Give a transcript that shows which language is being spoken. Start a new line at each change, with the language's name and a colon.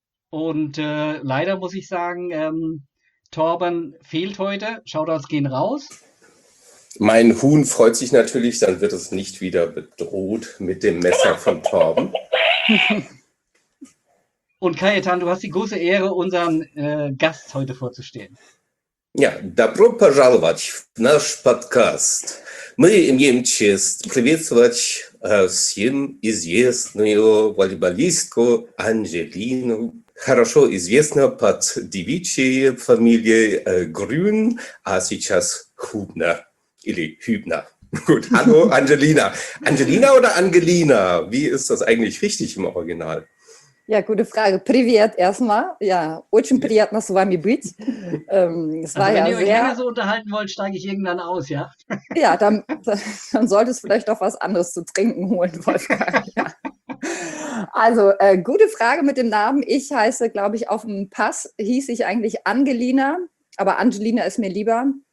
German: Und leider muss ich sagen, Torben fehlt heute. Shoutouts gehen raus. Mein Huhn freut sich natürlich, dann wird es nicht wieder bedroht mit dem Messer von Torben. Und Kajetan, du hast die große Ehre, unseren Gast heute vorzustellen.
Russian: Ja, добро пожаловать в наш подкаст. Мы имеем честь приветствовать всем известную волейболистку Анжелину, хорошо известную под девичьей фамилией Грюн, а сейчас Хубнер.
German: Или Hübner. Gut, hallo Angelina. Angelina oder Angelina? Wie ist das eigentlich richtig im Original? Ja, gute Frage. Привет erstmal.
Russian: Ja, очень приятно с вами быть.
German: Es war also, wenn ja ihr euch länger so unterhalten wollt, steige ich irgendwann aus, ja? Ja, dann solltest du vielleicht auch was anderes zu trinken holen, Wolfgang. Ja. Also, gute Frage mit dem Namen. Ich heiße, glaube ich, auf dem Pass hieß ich eigentlich Angelina, aber Angelina ist mir lieber.